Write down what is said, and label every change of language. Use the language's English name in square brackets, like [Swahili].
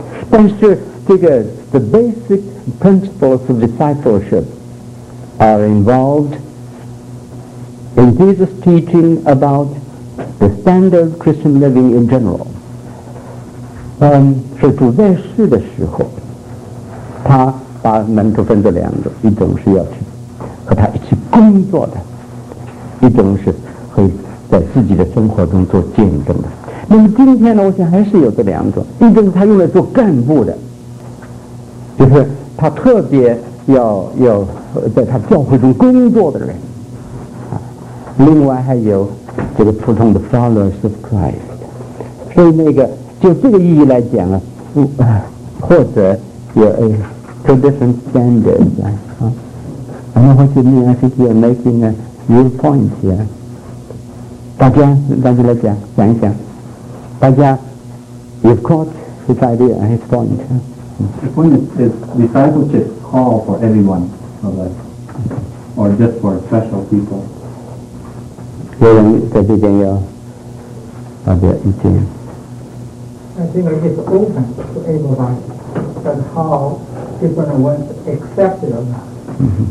[Chinese] 但是这个 [English] the basic principles of discipleship are involved in Jesus' teaching about the standard Christian living in general。 [Chinese] 是主在世的时候，他把门徒分作两种，一种是要去和他一起工作的，一种是和在自己的生活中做见证的。那么今天呢，我想还是有这两种，一种是他用来做干部的，就是他特别要在他教会中工作的人，另外还有这个普通的 [English] followers of Christ。 [Chinese] 所以那个就这个意义来讲啊，或者有 [English] a two different standards。 And what you mean, I think you're making a real point here。 [Chinese] 大家来讲讲一讲，大家 [English] you've caught his idea and his point。 The point is discipleship call for everyone, or just for special people。 [Chinese] 有人在这边要发表意见。 [English] I think it's open to everybody, but how different ones accept it or not。